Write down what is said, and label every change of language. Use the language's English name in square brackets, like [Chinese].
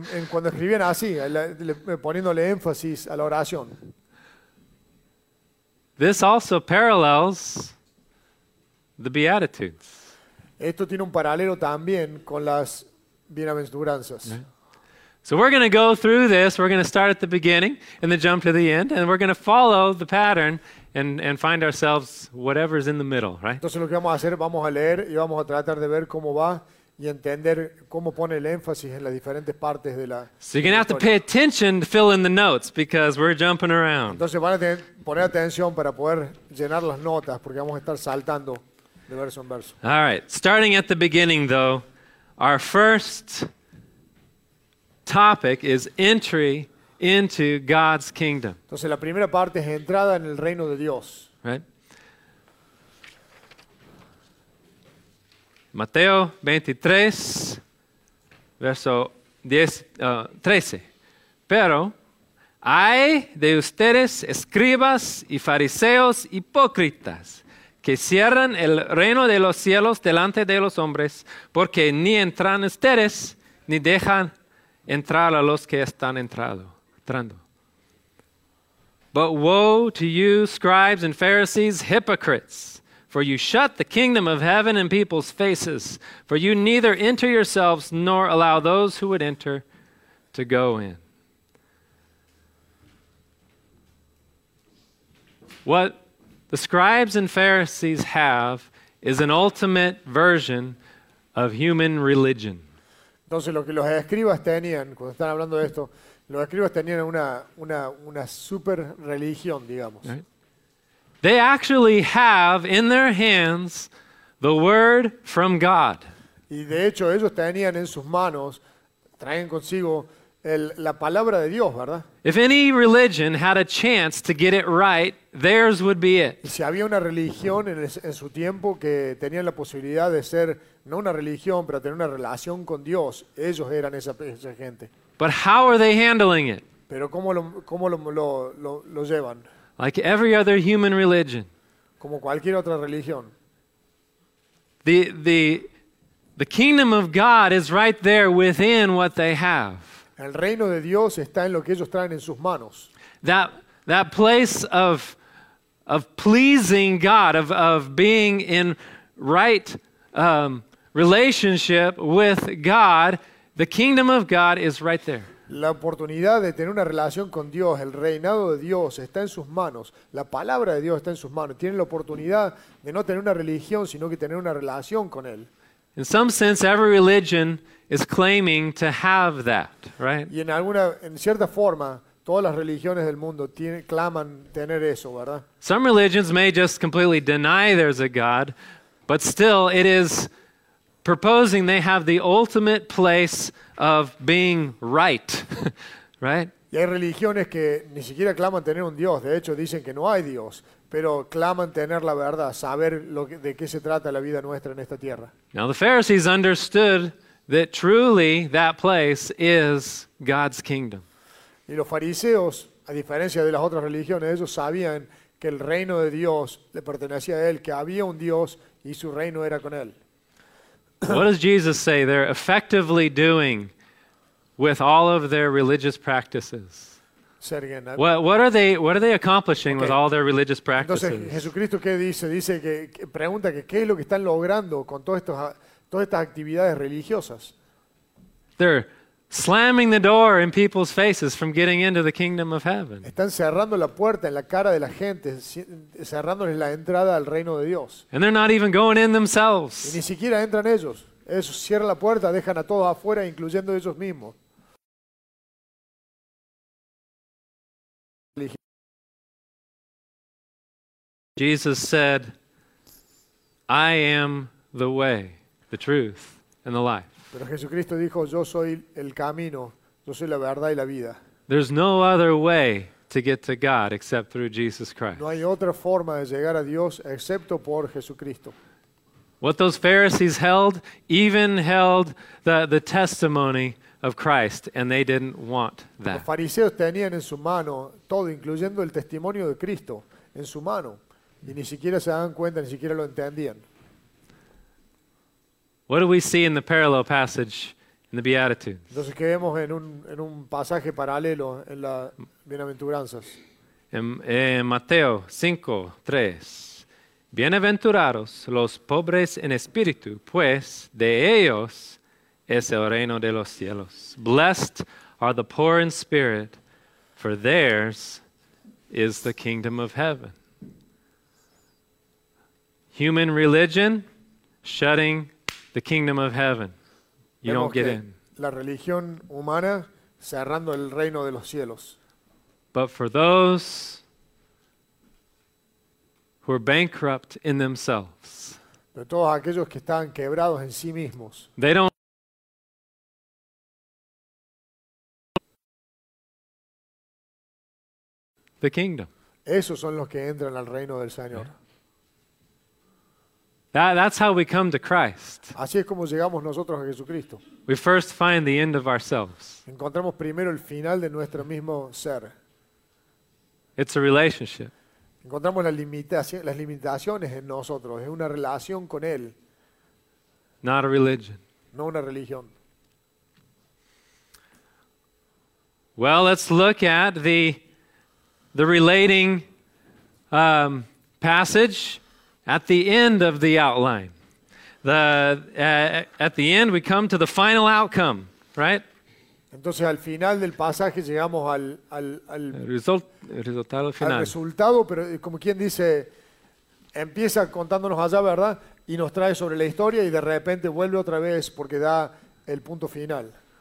[Spanish] Cuando escribían así, poniéndole énfasis a la oración. [English] This also parallels the Beatitudes. [Spanish] Esto tiene un paralelo también con las bienaventuranzas. [English] So we're going to go through this. We're going to start at the beginning and then jump to the end, and we're going to follow the pattern and find ourselves whatever's in the middle, right? [Spanish] Entonces lo que vamos a hacer, vamos a leer y vamos a tratar de ver cómo va y entender cómo pone el énfasis en las diferentes partes de la. [English] So you're going to have to pay attention to fill in the notes because we're jumping around. [Spanish] Entonces van a tener poner atención para poder llenar las notas porque vamos a estar saltando de verso en verso. [English] All right, starting at the beginning though, our first topic is entry into God's kingdom. [Spanish] Entonces la primera parte es entrada en el reino de Dios. [English] Right? [Spanish] Mateo 23, verso 13. Pero hay de ustedes, escribas y fariseos hipócritas, que cierran el reino de los cielos delante de los hombres, porque ni entran ustedes, ni dejan entrar a los que están entrando. [English] But woe to you, scribes and Pharisees, hypocrites! For you shut the kingdom of heaven in people's faces, for you neither enter yourselves nor allow those who would enter to go in. What the scribes and Pharisees have is an ultimate version of human religion. [Spanish] Entonces, lo que los escribas tenían, cuando están hablando de esto, los escribas tenían una super religión, digamos. [English] Right? They actually have in their hands the word from God. [Spanish] Y de hecho ellos tenían en sus manos, traen consigo la palabra de Dios, ¿verdad? [English] If any religion had a chance to get it right, theirs would be it. [Spanish] Y si había una religión en su tiempo que tenía la posibilidad de ser, no una religión, pero tener una relación con Dios, ellos eran esa gente. [English] But how are they handling it? [Spanish] Pero ¿cómo lo llevan? [English] Like every other human religion. [Spanish] Como cualquier otra religión. [English] The kingdom of God is right there within what they have. [Spanish] El reino de Dios está en lo que ellos traen en sus manos. [English] That place of pleasing God, of being in right relationship with God, the kingdom of God is right there. [Spanish] La oportunidad de tener una relación con Dios, el reinado de Dios está en sus manos. La palabra de Dios está en sus manos. Tienen la oportunidad de no tener una religión, sino que tener una relación con Él. [English] In some sense, every religion is claiming to have that, right? [Spanish] Y en cierta forma, todas las religiones del mundo claman tener eso, ¿verdad? [English] Some religions may just completely deny there's a God, but still it is proposing they have the ultimate place of being right, right? [Spanish] Y hay religiones que ni siquiera claman tener un Dios. De hecho, dicen que no hay Dios, pero claman tener la verdad, saber de qué se trata la vida nuestra en esta tierra. [English] Now the Pharisees understood that truly that place is God's kingdom. [Spanish] Y los fariseos, a diferencia de las otras religiones, ellos sabían que el reino de Dios le pertenecía a él, que había un Dios y su reino era con él. [English] What does Jesus say they're effectively doing with all of their religious practices? Say it again. What are they accomplishing with all their religious practices? [Spanish] Entonces, Jesucristo qué dice? Dice que pregunta que qué es lo que están logrando con todas estas actividades religiosas. [English] They're slamming the door in people's faces from getting into the kingdom of heaven. [Spanish] Están cerrando la puerta en la cara de la gente, cerrándoles la entrada al reino de Dios. [English] And they're not even going in themselves. [Spanish] Y ni siquiera entran ellos. Ellos cierran la puerta, dejan a todos afuera, incluyendo ellos mismos. [English] Jesus said, "I am the way, the truth, and the life." [Spanish] Pero Jesucristo dijo, yo soy el camino, yo soy la verdad y la vida. [English] There's no other way to get to God except through Jesus Christ. [Spanish] No hay otra forma de llegar a Dios excepto por Jesucristo. [English] What those Pharisees held, even held the testimony of Christ, and they didn't want that. [Spanish] Los fariseos tenían en su mano todo, incluyendo el testimonio de Cristo, en su mano, y ni siquiera se daban cuenta, ni siquiera lo entendían. [English] What do we see in the parallel passage in the Beatitudes? [Spanish] Entonces, ¿qué vemos en un pasaje paralelo en las Bienaventuranzas? En Mateo 5:3, Bienaventurados los pobres en espíritu, pues de ellos es el reino de los cielos. [English] Blessed are the poor in spirit, for theirs is the kingdom of heaven. Human religion shutting the kingdom of heaven. You [Spanish] Vemos [English] don't get in. [Spanish] La religión humana cerrando el reino de los cielos. [English] But for those who are bankrupt in themselves. [Spanish] Pero todos aquellos que están quebrados en sí mismos. [English] They don't the kingdom. [Spanish] Esos son los que entran al reino del Señor. [English] Yeah. That's how we come to Christ. [Spanish] Así es como llegamos nosotros a Jesucristo. [English] We first find the end of ourselves. [Spanish] Encontramos primero el final de nuestro mismo ser. [English] It's a relationship. [Spanish] Encontramos las limitaciones en nosotros. Es una relación con Él. [English] Not a religion. [Spanish] No una religión. [English] Well, let's look at the relating passage. At the end of the outline, at the end we come to the final outcome, right? [Spanish] Entonces al final del pasaje llegamos resultado final. Al resultado, pero como quien dice, empieza contándonos allá, ¿verdad? Y nos trae sobre la historia y de repente vuelve otra vez porque da el punto final.